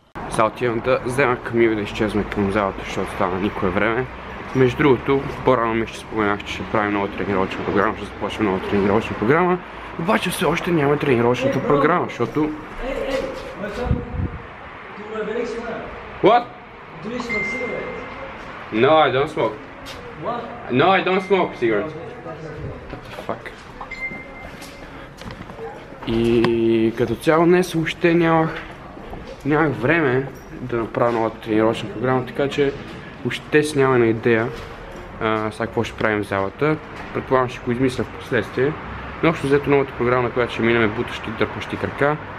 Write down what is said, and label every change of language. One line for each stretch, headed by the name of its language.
Bulgarian: Сега отивам да взема камил и да изчезваме към залата, защото стана никое време. Между другото, по-рано ми ще споменах, че ще правим нова тренировъчна програма, ще започнем нова тренировъчна програма. Обаче все още няма тренировъчната програма, защото...
English: What? Do you smoke cigarettes? No, I don't smoke. What? No, I don't smoke cigarettes. What the fuck?
Bulgarian: И като цяло днес въобще нямах време да направя нова тренировъчна програма, така че въобще си нямам на идея сега какво ще правим в залата. Предполагам, ще го измисля в последствие. Но общо взето новата програма, на която ще минем, е бутащи, дърпащи крака.